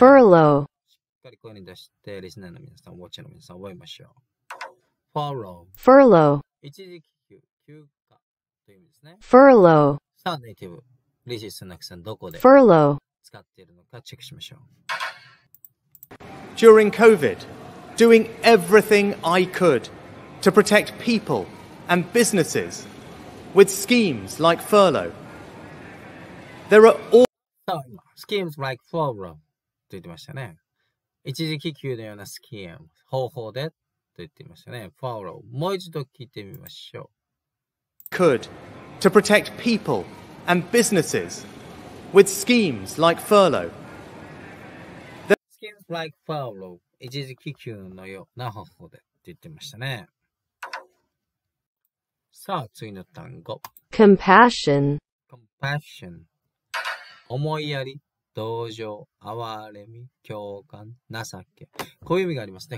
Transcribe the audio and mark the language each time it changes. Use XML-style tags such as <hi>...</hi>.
<en>furlough。</en> <ja>しっかり声に出して、リスナーの皆さん、ウォッチャーの皆さん、覚えましょう。</ja> <en>furlough。 furlough。</en> <ja>一時帰休、休暇という意味ですね。</ja> <en>furlough。</en> <ja>さあ、ネイティブ、リシス・ナクさん、どこで</ja> <en>furlough</en> <ja>使っているのか、チェックしましょう。</ja> <en>During COVID, doing everything I could to protect people and businesses with schemes like furlough. There are all schemes like furlough</en> <ja>と言ってましたね。一時帰休のようなスキーム、方法でと言ってましたね。</ja> <en>furlough。</en> <ja>もう一度聞いてみましょう。</ja> <en>could to protect people and businesses with schemes like furlough. The schemes like furlough。</en> <ja>一時帰休のような方法でと言ってましたね。さあ、次の単語。</ja> <en>compassion。 compassion。</en> <ja>思いやり、同情、哀れみ、共感、情け。こういう意味がありますね。</ja>